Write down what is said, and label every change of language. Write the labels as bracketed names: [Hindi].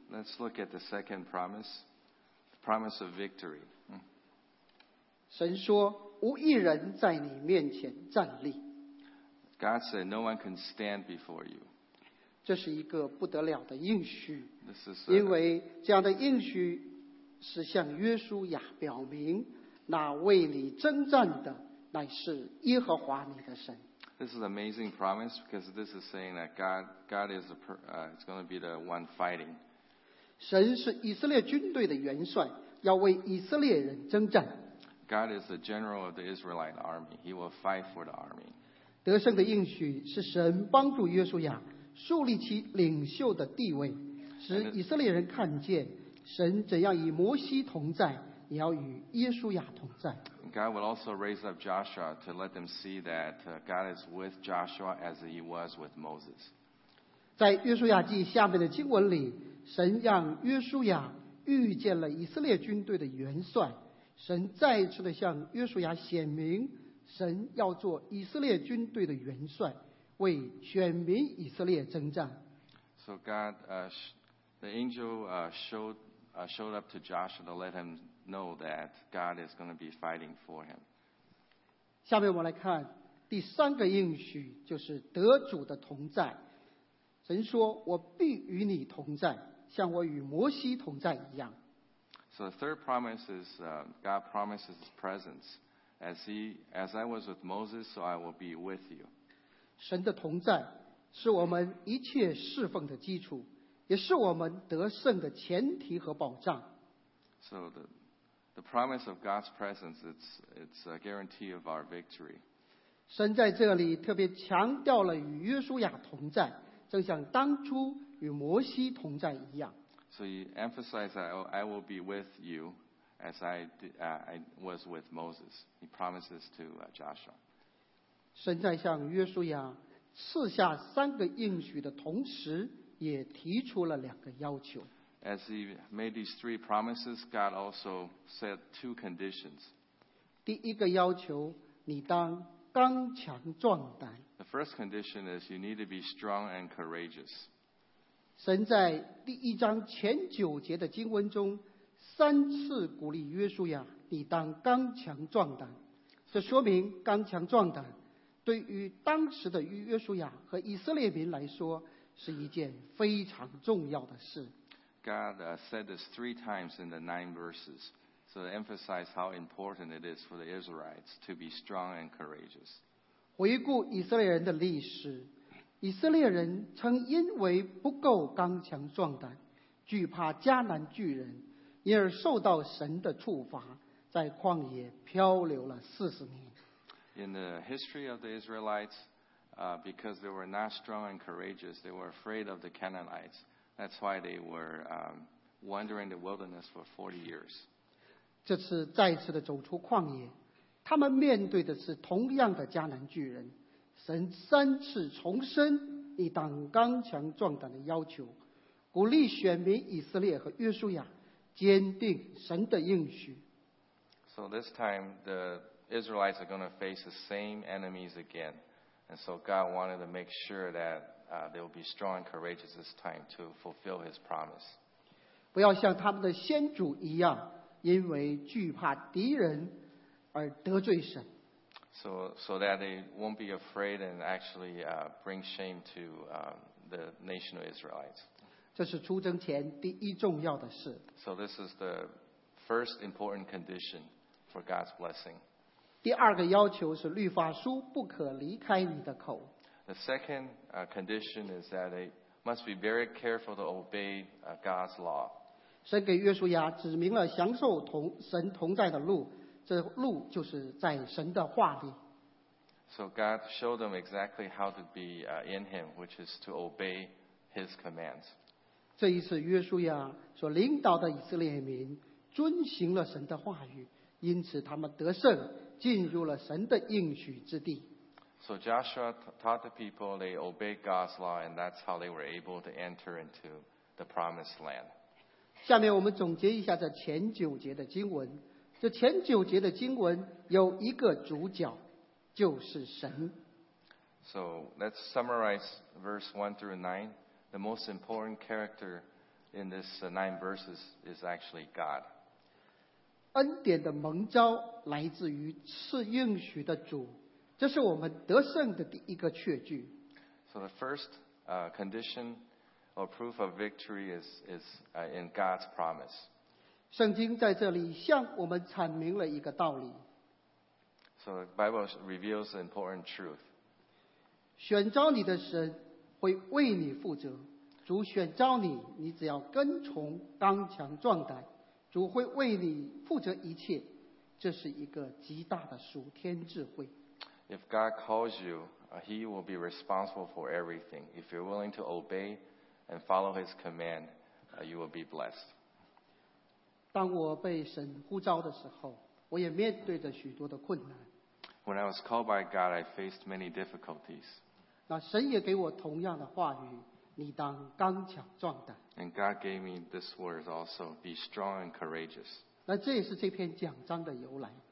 [English] Let's look at the second promise, the promise of victory. [Chinese] 神说，无一人在你面前站立。 [English] God said, no one can stand before you. [Chinese] 这是一个不得了的应许。 [English] This is [Chinese] 因为这样的应许是向约书亚表明，那为你征战的乃是耶和华你的神。 [English] This is an amazing promise because this is saying that God is it's going to be the one fighting. [Chinese] 神是以色列军队的元帅，要为以色列人征战。 [English] God is the general of the Israelite army. He will fight for the army. [Chinese] 得胜的应许是神帮助约书亚树立起领袖的地位，使以色列人看见神怎样与摩西同在，也要与耶稣亚同在。 [English] God will also raise up Joshua to let them see that God is with Joshua as he was with Moses. [Chinese] 在约书亚记下面的经文里，神让约书亚遇见了以色列军队的元帅，神再次的向约书亚显明，神要做以色列军队的元帅，为选民以色列征战。 [English] So God, the angel showed up to Joshua to let him know that God is going to be fighting for him. [Chinese] 下面我来看第三个应许，就是得主的同在。神说，我必与你同在，像我与摩西同在一样。 [English] So the third promise is God promises his presence. As I was with Moses, so I will be with you. [Chinese] 神的同在是我们一切侍奉的基础，也是我们得胜的前提和保障。 [English] So the promise of God's presence, it's a guarantee of our victory. [Chinese] 神在这里特别强调了与约书亚同在，正像当初与摩西同在一样。 [English] So he emphasized that I will be with you as I was with Moses. He promises to Joshua. [Chinese] 神在向约书亚赐下三个应许的同时，也提出了两个要求。 [English] As he made these three promises, God also set two conditions. [Chinese] 第一个要求，你当刚强壮胆。 [English] The first condition is you need to be strong and courageous. [Chinese] 神在第一章前九节的经文中三次鼓励约书亚，你当刚强壮胆。这说明刚强壮胆对于当时的约书亚和以色列民来说是一件非常重要的事。 [English] God said this three times in the nine verses, so to emphasize how important it is for the Israelites to be strong and courageous. [Chinese] 回顾以色列人的历史，以色列人曾因为不够刚强壮胆，惧怕迦南巨人，因而受到神的处罚，在旷野漂流了四十年。 [English] In the history of the Israelites, because they were not strong and courageous, they were afraid of the Canaanites. That's why they were wandering the wilderness for 40 years. [Chinese] 这次再次的走出旷野，他们面对的是同样的迦南巨人。神三次重申以当刚强壮胆的要求，鼓励选民以色列和约书亚坚定神的应许。 [English] So this time the Israelites are going to face the same enemies again, and so God wanted to make sure that they will be strong and courageous this time to fulfill His promise. [Chinese] 不要像他们的先祖一样，因为惧怕敌人而得罪神。 [English] So that they won't be afraid and actually bring shame to the nation of Israelites. [Chinese] 这是出征前第一重要的事。 [English] So this is the first important condition for God's blessing. [Chinese] 第二个要求是律法书不可离开你的口。 [English] The second condition is that they must be very careful to obey God's law. [Chinese] 神给约书亚指明了享受同神同在的路，这路就是在神的话里。 [English] So God showed them exactly how to be in Him, which is to obey His commands. [Chinese] 这一次约书亚所领导的以色列民遵行了神的话语，因此他们得胜，进入了神的应许之地。 [English] So Joshua taught the people they obeyed God's law, and that's how they were able to enter into the promised land. [Chinese] 下面我们总结一下这前九节的经文。这前九节的经文有一个主角，就是神。 [English] So let's summarize verse 1 through 9. The most important character in this nine verses is actually God. [Chinese] 恩典的蒙召来自于赐应许的主，这是我们得胜的第一个确据。 [English] So the first condition or proof of victory is in God's promise. [Chinese] 圣经在这里向我们阐明了一个道理。 [English] So the Bible reveals an important truth. [Chinese] 选召你的神会为你负责。主选召你，你只要跟从，刚强壮胆，主会为你负责一切。这是一个极大的属天智慧。 [English] If God calls you, He will be responsible for everything. If you're willing to obey and follow His command, you will be blessed. [Chinese] 当我被神呼召的时候，我也面对着许多的困难。 [English] When I was called by God, I faced many difficulties. [Chinese] 那神也给我同样的话语，你当刚强壮胆。 [English] And God gave me this word also, be strong and courageous. [Chinese] 那这也是这篇讲章的由来。